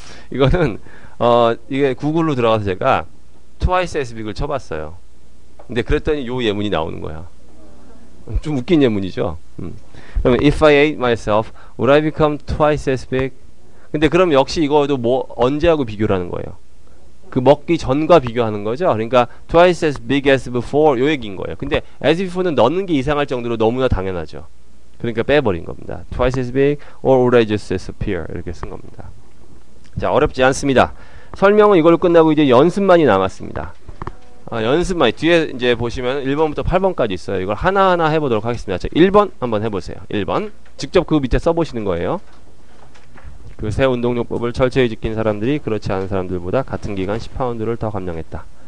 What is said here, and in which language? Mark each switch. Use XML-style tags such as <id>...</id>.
<ko>이거는 이게 구글로 들어가서 제가</ko> <en>트와이스 as big</en> <ko>을 쳐봤어요. 근데 그랬더니 요 예문이 나오는 거야. 좀 웃긴 예문이죠.</ko> <en>If I ate myself, would I become twice as big?</en> <ko>근데 그럼 역시 이거도 뭐 언제하고 비교를 하는 거예요? 그 먹기 전과 비교하는 거죠. 그러니까</ko> <en>twice as big as before</en> <ko>요 얘기인 거예요. 근데</ko> <en>as before</en> <ko>는 넣는 게 이상할 정도로 너무나 당연하죠. 그러니까 빼버린 겁니다.</ko> <en>Twice as big or would I just disappear?</en> <ko>이렇게 쓴 겁니다. 자, 어렵지 않습니다. 설명은 이걸로 끝나고 이제 연습만이 남았습니다. 연습만 뒤에 이제 보시면 1번부터 8번까지 있어요. 이걸 하나하나 해보도록 하겠습니다. 자, 1번 한번 해보세요. 1번 직접 그 밑에 써보시는 거예요. 그 새 운동요법을 철저히 지킨 사람들이 그렇지 않은 사람들보다 같은 기간 10파운드를 더 감량했다.</ko>